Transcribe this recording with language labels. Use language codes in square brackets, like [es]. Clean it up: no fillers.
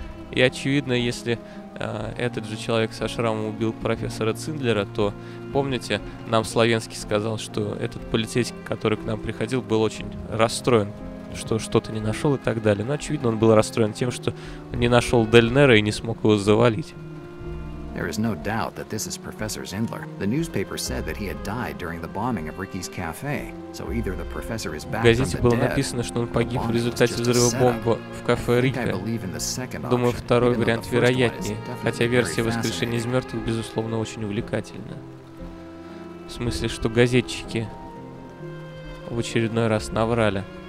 [ru] И очевидно, если этот же человек со шрамом убил профессора Циндлера, то помните, нам Славенский сказал, что этот полицейский, который к нам приходил, был очень расстроен, что что-то не нашел и так далее. Но очевидно, он был расстроен тем, что не нашел Дельнера и не смог его завалить. [en] There is no doubt that this is Professor Zindler. The newspaper said that he had died during the bombing of Ricky's cafe. So either the professor is back from the dead. [ru] В газете было написано, что он погиб в результате взрыва бомбы в кафе Рикки. Думаю, второй вариант вероятнее, хотя версия воскрешения из мертвых безусловно очень увлекательна. В смысле, что газетчики в очередной раз наврали.